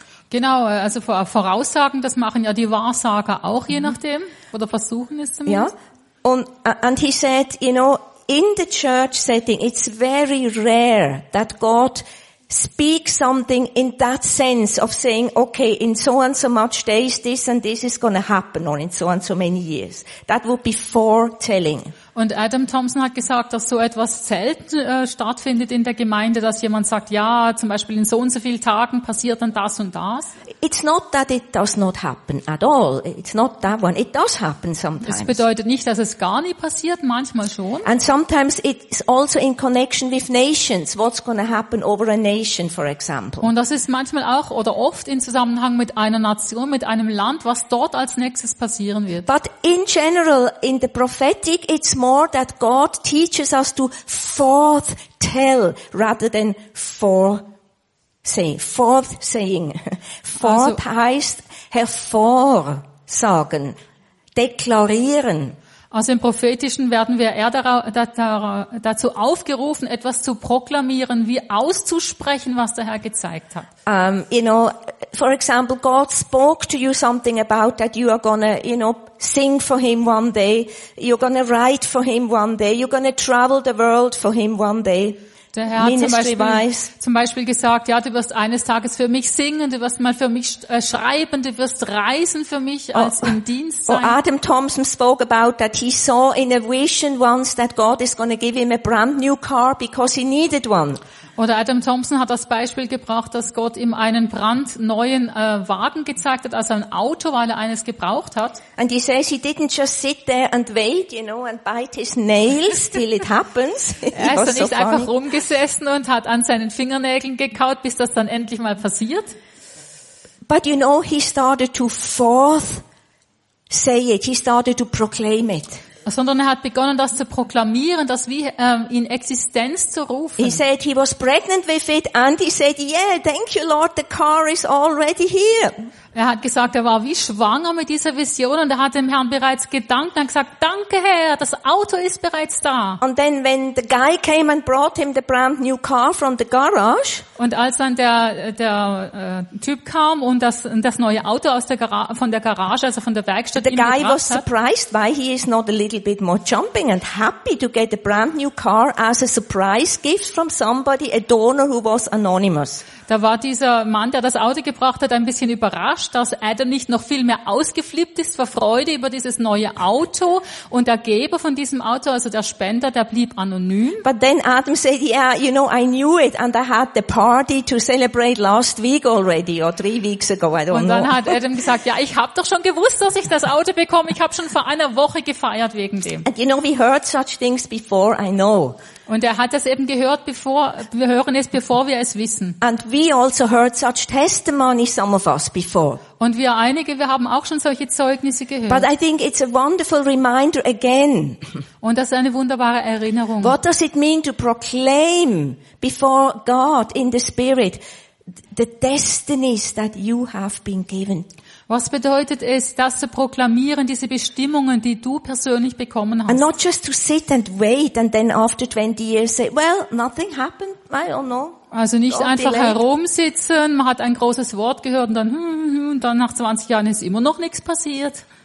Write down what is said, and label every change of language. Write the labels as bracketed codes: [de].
[de] Genau, also Voraussagen, das machen ja die Wahrsager auch, je nachdem, oder versuchen es zumindest. [en] Ja, and he said, you know, in the church setting it's very rare that God speak something in that sense of saying, okay, in so and so much days, this and this is going to happen, or in so and so many years. That would be foretelling. [de] Und Adam Thompson hat gesagt, dass so etwas selten stattfindet in der Gemeinde, dass jemand sagt, ja, zum Beispiel in so und so vielen Tagen passiert dann das und das. [en] It's not that it does not happen at all. It's not that one. It does happen sometimes. [de] Es bedeutet nicht, dass es gar nie passiert, manchmal schon. [en] And sometimes it's also in connection with nations. What's going to happen over a nation, for example. [de] Und das ist manchmal auch oder oft in Zusammenhang mit einer Nation, mit einem Land, was dort als nächstes passieren wird. [en] But in general, in the prophetic, it's more that God teaches us to foretell rather than foresay. [de] Foresaying. Fort heißt hervorsagen, deklarieren. Also im Prophetischen werden wir eher dazu aufgerufen, etwas zu proklamieren, wie auszusprechen, was der Herr gezeigt hat. [en] You know, for example, God spoke to you something about that you are gonna, you know, sing for him one day, you're gonna write for him one day, you're gonna travel the world for him one day. [de] Der Herr hat zum Beispiel gesagt, ja, du wirst eines Tages für mich singen, du wirst mal für mich schreiben, du wirst reisen für mich als im Dienst sein. [en] Adam Thompson spoke about that he saw in a vision once that God is going to give him a brand new car because he needed one. [de] Oder Adam Thompson hat das Beispiel gebracht, dass Gott ihm einen brandneuen Wagen gezeigt hat, also ein Auto, weil er eines gebraucht hat. [en] And he says he didn't just sit there and wait, you know, and bite his nails till it happens. [de] Er ist dann nicht einfach rumgesessen und hat an seinen Fingernägeln gekaut, bis das dann endlich mal passiert. [en] But you know, he started to forth say it. He started to proclaim it. [de] Sondern er hat begonnen, das zu proklamieren, das wie in Existenz zu rufen. [en] He said he was pregnant with it, and he said, "Yeah, thank you, Lord, the car is already here." [de] Er hat gesagt, er war wie schwanger mit dieser Vision, und er hat dem Herrn bereits gedankt und gesagt, "Danke, Herr, das Auto ist bereits da." [en] And then when the guy came and brought him the brand new car from the garage. [de] Und als dann der Typ kam und das neue Auto aus von der Garage, also von der Werkstatt, [en] the guy was surprised why he is not a little bit more jumping and happy to get a brand new car as a surprise gift from somebody, a donor who was anonymous. [de] Da war dieser Mann, der das Auto gebracht hat, ein bisschen überrascht, dass Adam nicht noch viel mehr ausgeflippt ist vor Freude über dieses neue Auto, und der Geber von diesem Auto, also der Spender, der blieb anonym. [en] But then Adam said, yeah, you know, I knew it and I had the party to celebrate last week already or 3 weeks ago, I don't know. [de] Und dann hat Adam gesagt, ja, ich habe doch schon gewusst, dass ich das Auto bekomme, ich habe schon vor einer Woche gefeiert wegen dem. [en] And you know, we heard such things before, I know. [de] Und er hat das eben gehört, bevor wir es wissen. [en] And we also heard such testimony, some of us, before. [de] Und wir haben auch schon solche Zeugnisse gehört. [en] But I think it's a wonderful reminder again. [de] Und das ist eine wunderbare Erinnerung. [en] What does it mean to proclaim before God in the Spirit the destinies that you have been given? [de] Was bedeutet es, das zu proklamieren, diese Bestimmungen, die du persönlich bekommen hast? [en] And not just to sit and wait and then after 20 years say, well, nothing happened, I don't know. [de] Also nicht einfach herumsitzen, man hat ein großes Wort gehört und dann nach 20 Jahren ist immer noch nichts passiert.